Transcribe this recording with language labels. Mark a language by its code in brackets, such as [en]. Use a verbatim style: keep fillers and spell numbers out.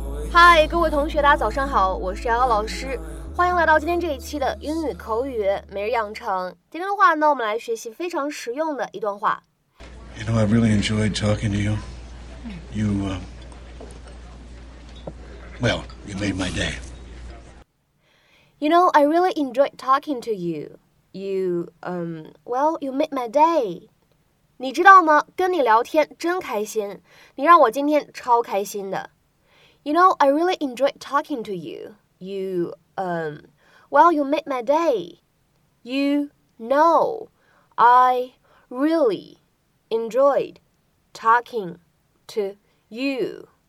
[zh] 嗨，各位同学，大家早上好，我是瑶瑶老师，欢迎来到今天这一期的英语口语每日养成。今天的话呢，我们来学习非常实用的一段话。 [en] You know, I really enjoyed talking to you. You, uh, well, you made my day. You know, I really enjoyed talking to you. You, um, well, you made my day. [zh] 你知道吗？跟你聊天真开心，你让我今天超开心的。 [en] You know, I really enjoyed talking to you. You, um, well, you made my day. You know, I really enjoyed talking to you.